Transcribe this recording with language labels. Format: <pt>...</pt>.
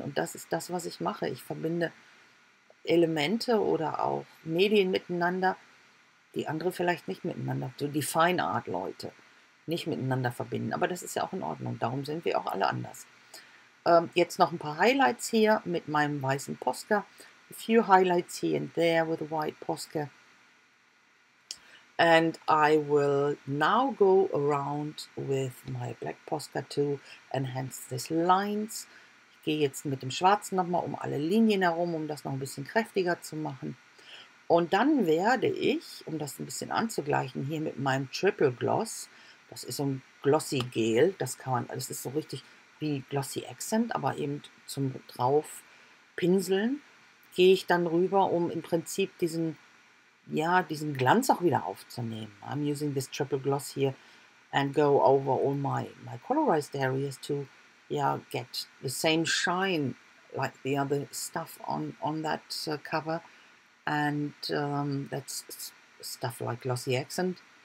<de>Und das ist das, was ich mache. Ich verbinde Elemente oder auch Medien miteinander, die andere vielleicht nicht miteinander, so die Fine-Art-Leute, nicht miteinander verbinden. Aber das ist ja auch in Ordnung. Darum sind wir auch alle anders. Jetzt noch ein paar Highlights hier mit meinem weißen Posca.</de> <en>A few highlights here and there with a white Posca. And I will now go around with my black Posca to enhance these lines.</en> <de>Ich gehe jetzt mit dem Schwarzen nochmal um alle Linien herum, um das noch ein bisschen kräftiger zu machen. Und dann werde ich, um das ein bisschen anzugleichen, hier mit meinem Triple Gloss, das ist so ein Glossy Gel, das ist so richtig wie Glossy Accent, aber eben zum drauf pinseln, gehe ich dann rüber, um im Prinzip diesen Glanz auch wieder aufzunehmen.</de> <en>I'm using this triple gloss here and go over all my colorized areas to get the same shine like the other stuff on that cover. And that's stuff like Glossy Accent.</en>